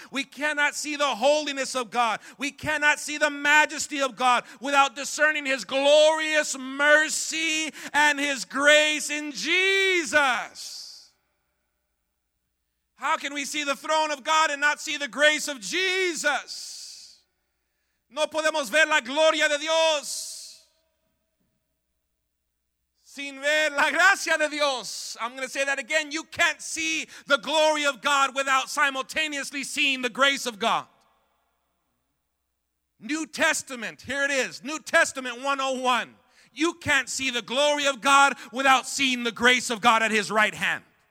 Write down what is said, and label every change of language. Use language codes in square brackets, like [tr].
[en] We cannot see the holiness of God. We cannot see the majesty of God without discerning his glorious mercy and his grace in Jesus. How can we see the throne of God and not see the grace of Jesus? [es] No podemos ver la gloria de Dios sin ver la gracia de Dios. [en] I'm going to say that again. You can't see the glory of God without simultaneously seeing the grace of God. New Testament, here it is, New Testament 101. You can't see the glory of God without seeing the grace of God at his right hand.